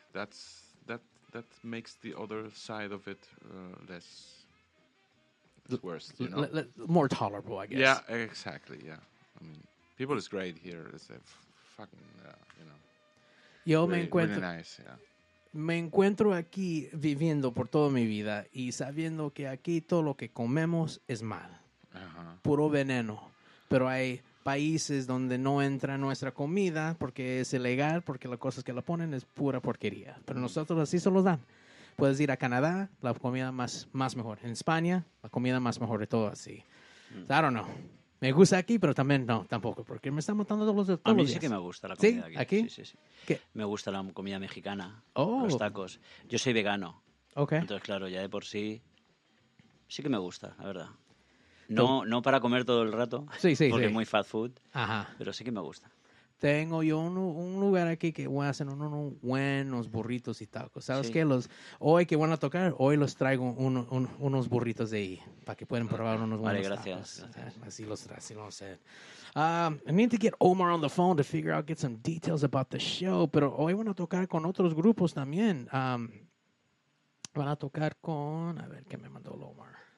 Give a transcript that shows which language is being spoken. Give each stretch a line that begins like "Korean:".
English: That makes the other side of it less worse, you know? More tolerable, I guess. Yeah, exactly, yeah. I mean, people is great here, as if... Fucking,
Spanish: Yo
English: really,
Spanish: me encuentro
English: really nice, yeah.
Spanish: Me encuentro aquí viviendo por toda mi vida y sabiendo que aquí todo lo que comemos es mal, puro veneno. Pero hay países donde no entra nuestra comida porque es ilegal, porque las cosas que la ponen es pura porquería. Pero nosotros así se los dan. Puedes ir a Canadá, la comida más mejor. En España, la comida más mejor de todo así.
English: I don't know.
Spanish: Me gusta aquí, pero también no, tampoco, porque me están matando todos los días. A mí sí que me gusta la comida. ¿Sí? ¿Aquí? Sí, sí, sí. ¿Qué? Me gusta la comida mexicana, los tacos. Yo soy vegano. Okay. Entonces, claro, ya de por sí que me gusta, la verdad. No para comer todo el rato, sí, sí, porque sí, es muy fast food, ajá, pero sí que me gusta. Tengo yo un lugar aquí que voy a hacer unos buenos burritos y tacos. ¿Sabes sí, qué? Hoy que van a tocar, hoy los traigo unos burritos de ahí para que puedan probar unos buenos tacos. Gracias. Así los traigo, así lo sé.
English: I need to get Omar on the phone to figure out, get some details about the show.
Spanish: Pero hoy van a tocar con otros grupos también. Van a tocar con, a ver, ¿qué me mandó Omar?